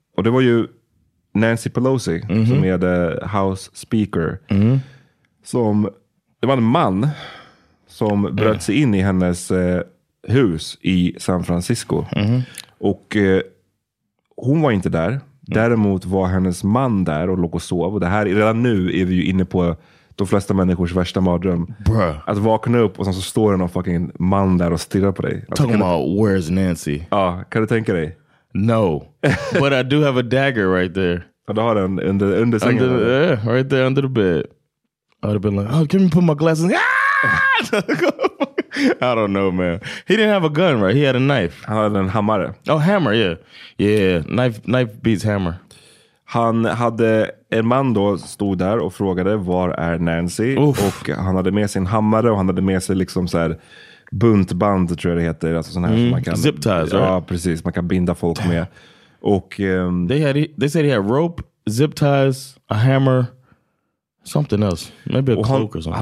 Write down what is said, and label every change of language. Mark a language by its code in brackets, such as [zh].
[sv] Och det var ju Nancy Pelosi, som är [en] the House Speaker, [sv] som, det var en man som bröt sig in i hennes hus i San Francisco. Mm-hmm. Och hon var inte där, Däremot var hennes man där och låg och sov. Och det här, redan nu är vi ju inne på de flesta människors värsta mardröm. [en] Bruh. [sv] Att vakna upp och sen så står det någon fucking man där och stirrar på dig. [en] Alltså, talking about where's Nancy? [sv] Ja, kan du tänka dig? [en] No, but I do have a dagger right there. [sv] Och du har den under sängen? [en] Yeah, right there under the bed. I would have been like, oh, can you put my glasses? Ah! I don't know, man. He didn't have a gun, right? He had a knife. [sv] Han hade en hammare. [en] Oh, hammer, yeah. Yeah, knife beats hammer. [sv] Han hade en man då, stod där och frågade, var är Nancy? Oof. Och han hade med sin hammare och han hade med sig liksom så här buntband, tror jag det heter. Alltså sån här som man kan... [en] Zip ties, [sv] ja, [en] right? [sv] Precis. Man kan binda folk damn med. Och... [en] They said he had rope, zip ties, a hammer... Something else. Maybe a cloak or something.